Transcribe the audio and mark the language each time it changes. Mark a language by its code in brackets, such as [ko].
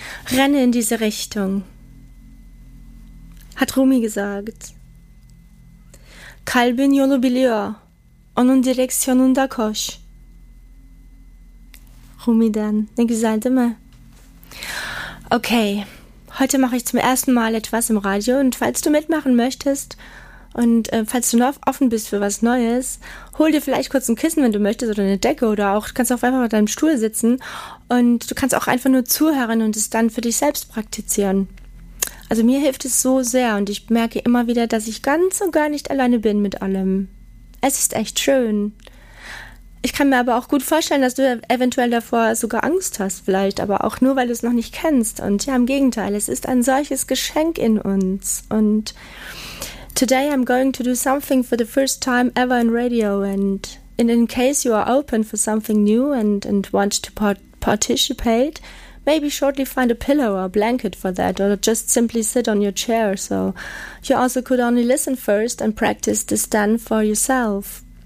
[de] Renne in diese Richtung, hat Rumi gesagt. [tr] Kalbin yolu biliyor, onun direksiyonunda koş. Rumi'den, ne güzel değil mi? [de] Okay, heute mache ich zum ersten Mal etwas im Radio und falls du mitmachen möchtest und falls du noch offen bist für was Neues, hol dir vielleicht kurz ein Kissen, wenn du möchtest, oder eine Decke, oder auch kannst auch einfach auf deinem Stuhl sitzen und du kannst auch einfach nur zuhören und es dann für dich selbst praktizieren. Also mir hilft es so sehr und ich merke immer wieder, dass ich ganz und gar nicht alleine bin mit allem. Es ist echt schön. Ich kann mir aber auch gut vorstellen, dass du eventuell davor sogar Angst hast, vielleicht, aber auch nur, weil du es noch nicht kennst. Und ja, im Gegenteil, es ist ein solches Geschenk in uns. [en] Und today I'm going to do something for the first time ever in radio, and in case you are open for something new and want to participate, maybe shortly find a pillow or a blanket for that, or just simply sit on your chair, so you also could only listen first and practice this then for yourself.